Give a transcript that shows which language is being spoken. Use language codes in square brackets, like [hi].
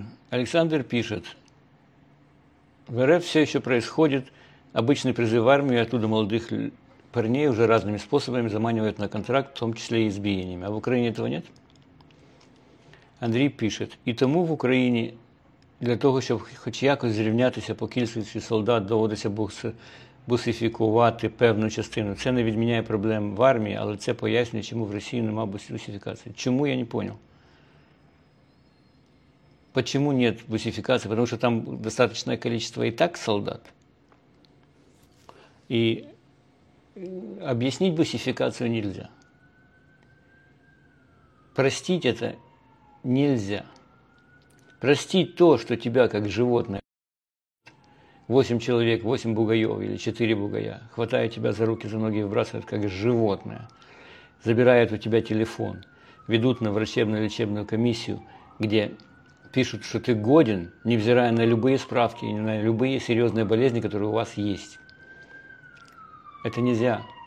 [ru] Александр пишет. В РФ все еще происходит... Обычно призыв в армию, оттуда молодых парней уже разными способами заманивают на контракт, в том числе и избиениями. А в Украине этого нет? Андрей пишет. [uk] И тому в Украине, для того, щоб хоч якось зрівнятися по кількості солдат, доводиться бусифікувати певну частину. Це не відміняє проблем в армії, але це пояснює, чому в Росії нема бусифікації. Чому, [ru] я не понял. Почему нет бусифікації? Потому що там достаточное количество і так солдат. И объяснить бусификацию нельзя. Простить это нельзя. Простить то, что тебя как животное, 8 человек, 8 бугаев или 4 бугая, хватает тебя за руки, за ноги, выбрасывает как животное, забирает у тебя телефон, ведут на врачебно-лечебную комиссию, где пишут, что ты годен, невзирая на любые справки, на любые серьезные болезни, которые у вас есть. Это нельзя.